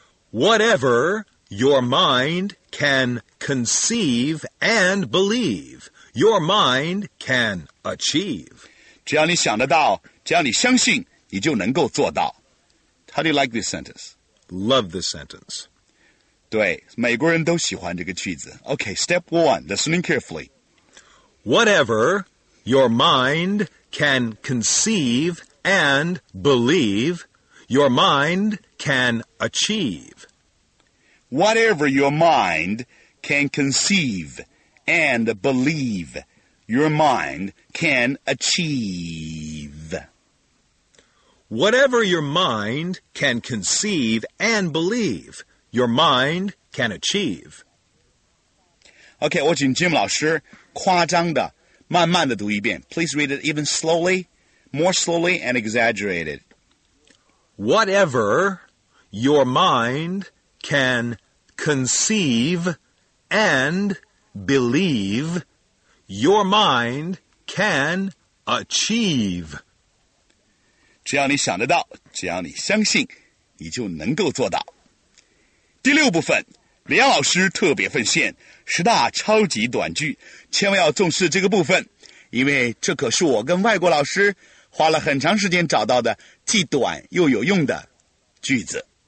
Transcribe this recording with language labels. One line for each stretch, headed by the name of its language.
English: Whatever your mind can conceive and believe, your mind can achieve.
Chinese: 只要你想得到，只要你相信，你就能够做到。
English: How do you like this sentence? Love this sentence.
Chinese: 对，美国人都喜欢这个句子。
English: Okay, step 1, listening carefully. Whatever your mind can conceive and believe, your mind can achieve. Whatever your mind can conceive and believe, your mind can achieve. Whatever your mind can conceive and believe, your mind can achieve.
Chinese: Okay, 我请 Jim 老师夸张的慢慢的读一遍。
English: Please read it even slowly, more slowly and exaggerated. Whatever your mind can conceive and believe, your mind can achieve.
Chinese: 只要你想得到，只要你相信，你就能够做到。第六部分，李阳老师特别奉献十大超级短句，千万要重视这个部分，因为这可是我跟外国老师花了很长时间找到的既短又有用的句子。